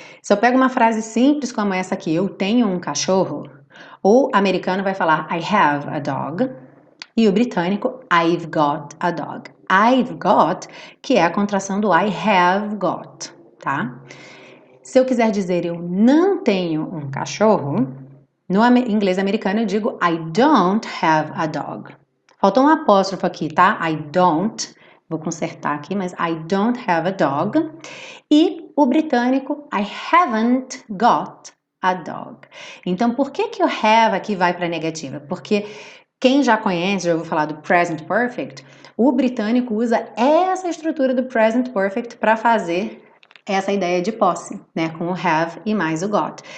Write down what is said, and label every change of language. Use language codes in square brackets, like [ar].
[pt] Se eu pego uma frase simples como essa aqui, eu tenho um cachorro, o americano vai falar [en] I have a dog [pt] e o britânico [en] I've got a dog. I've got, [pt] que é a contração do [en] I have got, [pt] tá? Se eu quiser dizer eu não tenho um cachorro, no inglês americano eu digo [en] I don't have a dog. [pt] Faltou um apóstrofo aqui, tá? [en] I don't. [pt] Vou consertar aqui, mas [en] I don't have a dog. [pt] E o britânico, [en] I haven't got a dog. [pt] Então, por que que o have aqui vai para a negativa? Porque quem já conhece, já ouviu falar do present perfect, o britânico usa essa estrutura do present perfect para fazer essa ideia de posse, né, com o have e mais o got.